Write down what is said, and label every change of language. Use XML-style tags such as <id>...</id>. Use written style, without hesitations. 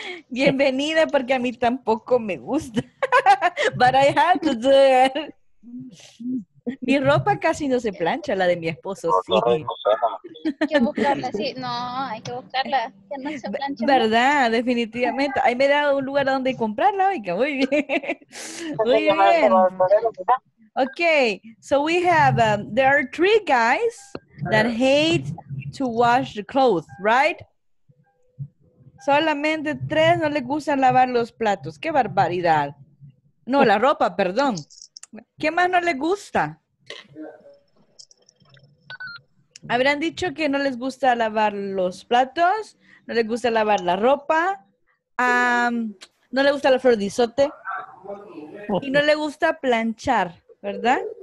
<es>Bienvenida, porque a mí tampoco me gusta.</es> <en>But I have to do it.</en> <es>Mi ropa casi no se plancha, la de mi esposo sí. Hay que buscarla, sí. No, hay que buscarla. Que no se plancha. ¿Verdad? Más. Definitivamente. Ahí me he dado un lugar donde comprarla. Oiga, muy bien. Muy bien.</es> <en>Okay, so we have, there are three guys that hate to wash the clothes, right?</en> <es>Solamente tres no les gusta lavar los platos. ¡Qué barbaridad! No, la ropa, perdón. ¿Qué más no les gusta? Habrán dicho que no les gusta lavar los platos, no les gusta lavar la ropa, no les gusta la flor de isote y no les gusta planchar, ¿verdad?</es>